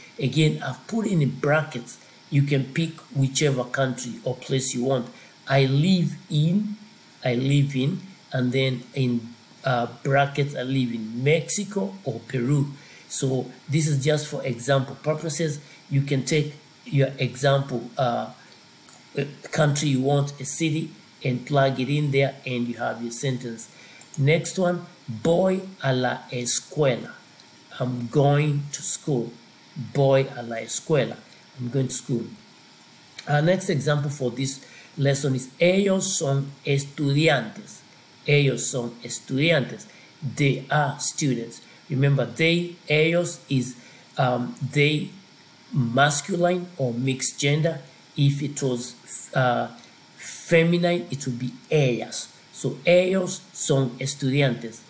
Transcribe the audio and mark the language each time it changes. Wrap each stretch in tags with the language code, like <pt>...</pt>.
<en>Again, I've put in brackets, you can pick whichever country or place you want. I live in, and then in brackets are living Mexico or Peru. So this is just for example purposes. You can take your example country you want, a city, and plug it in there, and you have your sentence. Next one,</en> <es>voy a la escuela.</es> <en>I'm going to school.</en> <es>Voy a la escuela.</es> <en>I'm going to school. Our next example for this lesson is</en> <es>ellos son estudiantes. Ellos son estudiantes.</es> <en>They are students. Remember, they, ellos is they masculine or mixed gender. If it was feminine, it would be ellas.</en> <es>So ellos son estudiantes.</es>